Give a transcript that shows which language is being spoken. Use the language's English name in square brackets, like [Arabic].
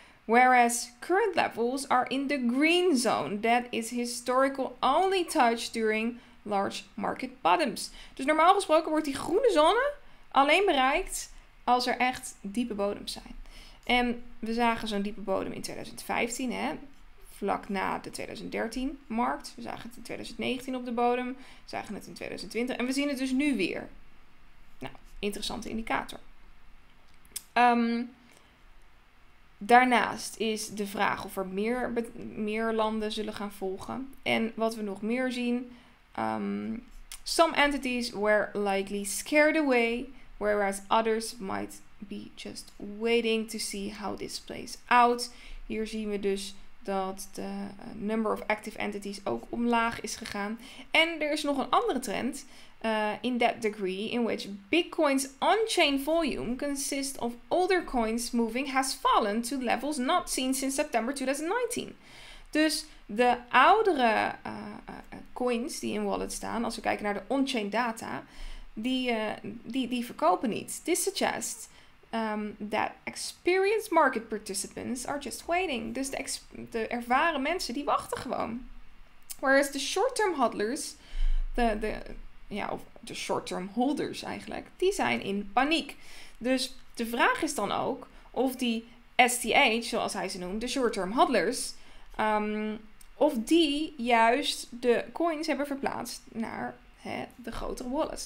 [English] Whereas current levels are in the green zone. That is historical only touch during large market bottoms. [Dutch] Dus normaal gesproken wordt die groene zone alleen bereikt als er echt diepe bodems zijn. En we zagen zo'n diepe bodem in 2015, hè, vlak na de 2013 markt. We zagen het in 2019 op de bodem. We zagen het in 2020. En we zien het dus nu weer. Nou, interessante indicator. Daarnaast is de vraag of er meer landen zullen gaan volgen. En wat we nog meer zien, [English] some entities were likely scared away, whereas others might be just waiting to see how this plays out. [Dutch] Hier zien we dus dat de [English] number of active entities [Dutch] ook omlaag is gegaan. En er is nog een andere trend, [English] in that degree in which Bitcoin's on-chain volume consists of older coins moving has fallen to levels not seen since September 2019. [Dutch] Dus de oudere coins die in wallet staan, als we kijken naar de on-chain data, die verkopen niet. [English] This suggests that experienced market participants are just waiting. [Dutch] Dus de ervaren mensen die wachten gewoon. [English] Whereas the short-term hodlers, [Dutch] de short-term holders eigenlijk, die zijn in paniek. Dus de vraag is dan ook of die STH, zoals hij ze noemt, de short-term hodlers, of die juist de coins hebben verplaatst naar de grotere wallets.